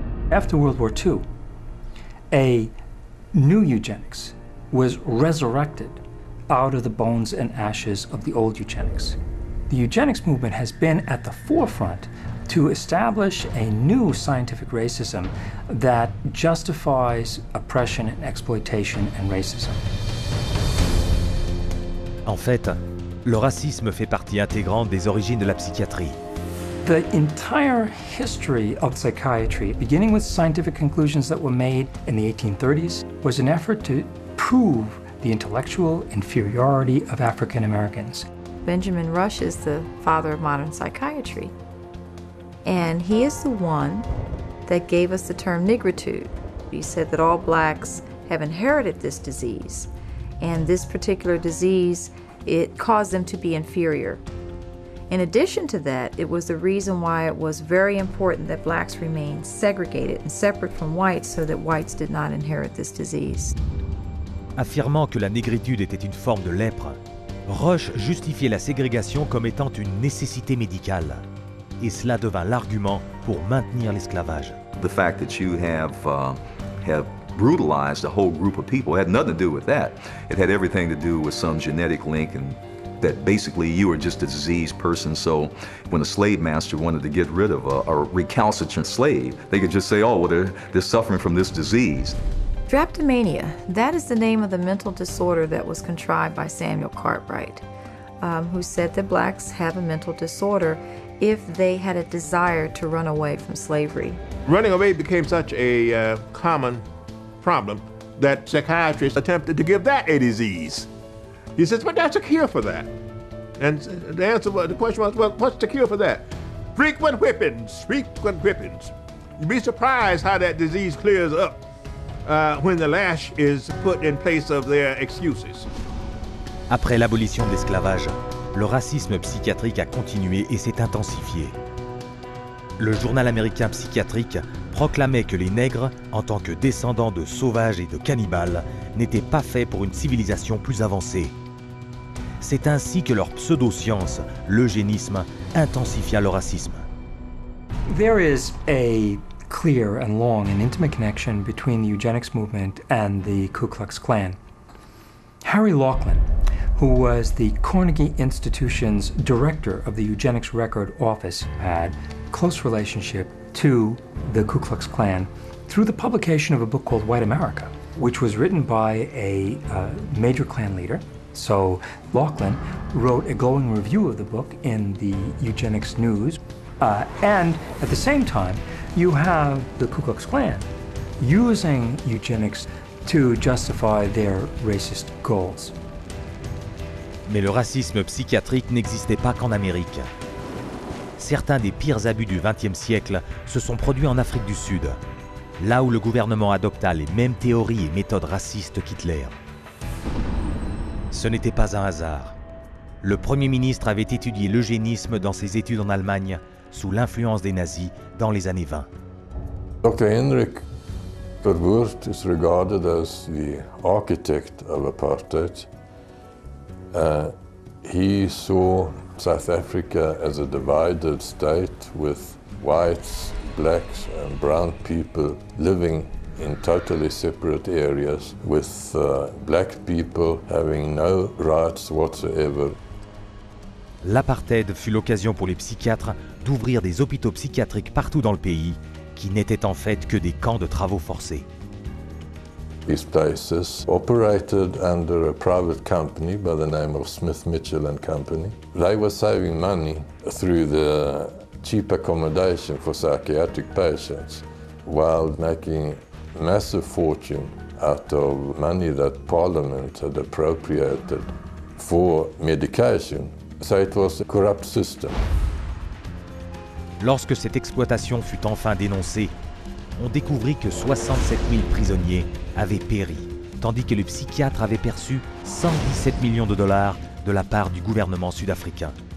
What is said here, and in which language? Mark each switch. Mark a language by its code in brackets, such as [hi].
[en] After World War II, a new eugenics was resurrected out of the bones and ashes of the old eugenics. The eugenics movement has been at the forefront to establish a new scientific racism that justifies oppression and exploitation and racism. [fr] En fait, le racisme fait partie intégrante des origines de la psychiatrie. [en] The entire history of psychiatry, beginning with scientific conclusions that were made in the 1830s, was an effort to prove the intellectual inferiority of African Americans. Benjamin Rush is the father of modern psychiatry, and he is the one that gave us the term nigritude. He said that all blacks have inherited this disease, and this particular disease, it caused them to be inferior. In addition to that, it was the reason why it was very important that blacks remain segregated and separate from whites so that whites did not inherit this disease. [fr] Affirmant que la négritude était une forme de lèpre, Rush justifiait la ségrégation comme étant une nécessité médicale. Et cela devint l'argument pour maintenir l'esclavage. [en] The fact that you have brutalized a whole group of people had nothing to do with that. It had everything to do with some genetic link and that basically you are just a diseased person, so when a slave master wanted to get rid of a recalcitrant slave, they could just say, oh, well, they're suffering from this disease. Dreptomania, that is the name of the mental disorder that was contrived by Samuel Cartwright, who said that blacks have a mental disorder if they had a desire to run away from slavery. Running away became such a common problem that psychiatrists attempted to give that a disease. He says, but that's a cure for that. And the answer, the question was, well, what's the cure for that? Frequent whippings. You'd be surprised how that disease clears up when the lash is put in place of their excuses. [fr] Après l'abolition de l'esclavage, le racisme psychiatrique a continué et s'est intensifié. Le journal américain psychiatrique proclamait que les nègres, en tant que descendants de sauvages et de cannibales, n'étaient pas faits pour une civilisation plus avancée. C'est ainsi que leur pseudo-science, l'eugénisme, intensifia le racisme. [en] There is a clear and long and intimate connection between the eugenics movement and the Ku Klux Klan. Harry Lachlan, who was the Carnegie Institution's director of the Eugenics Record Office, had close relationship to the Ku Klux Klan through the publication of a book called White America, which was written by a major Klan leader. So Lachlan wrote a glowing review of the book in the Eugenics News. And at the same time, you have the Ku Klux Klan using eugenics to justify their racist goals. [fr] Mais le racisme psychiatrique n'existait pas qu'en Amérique. Certains des pires abus du XXe siècle se sont produits en Afrique du Sud, là où le gouvernement adopta les mêmes théories et méthodes racistes qu'Hitler. Ce n'était pas un hasard. Le Premier ministre avait étudié l'eugénisme dans ses études en Allemagne, sous l'influence des nazis dans les années 20. [en] Dr. Hendrik Verwoerd is regarded as the architect of apartheid. He saw South Africa as a divided state with whites, blacks and brown people living in totally separate areas with black people having no rights whatsoever. [fr] L'apartheid fut l'occasion pour les psychiatres d'ouvrir des hôpitaux psychiatriques partout dans le pays qui n'étaient en fait que des camps de travaux forcés. [en] These places operated under a private company by the name of Smith Mitchell and Company. They were saving money through the cheap accommodation for psychiatric patients while making massive fortune out of money that Parliament had appropriated for medication. So it was a corrupt system. [fr] Lorsque cette exploitation fut enfin dénoncée, on découvrit que 67 000 prisonniers avaient péri, tandis que le psychiatre avait perçu 117 millions de dollars de la part du gouvernement sud-africain.